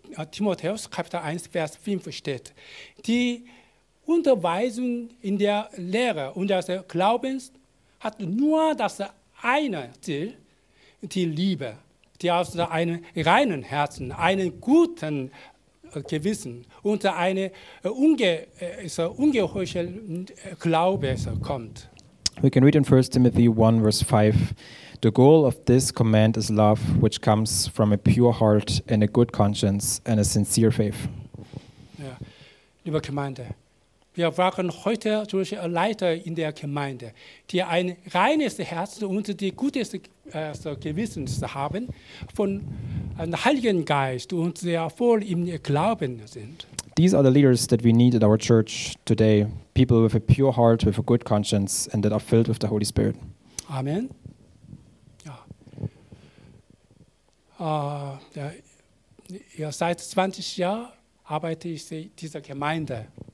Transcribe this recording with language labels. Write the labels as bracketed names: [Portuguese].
[German] Timotheus, Kapitel 1, Vers 5 steht, die Unterweisung in der Lehre und des Glaubens hat nur das eine Ziel, die Liebe, die aus einem reinen Herzen, einem guten Gewissen und einem ungeheuchelten Glaube kommt. [English] We can read in 1 Timothy 1, Vers 5, the goal of this command is love, which comes from a pure heart and a good conscience and a sincere faith. [German] Ja. Liebe Gemeinde, wir waren heute durch Leiter in der Gemeinde, die ein reines Herz und die gutes Gewissen haben, von einem Heiligen Geist und sehr voll im Glauben sind. [English] These are the leaders that we need at our church today, people with a pure heart, with a good conscience, and that are filled with the Holy Spirit. Amen. [German] Seit 20 Jahren arbeite ich in dieser Gemeinde.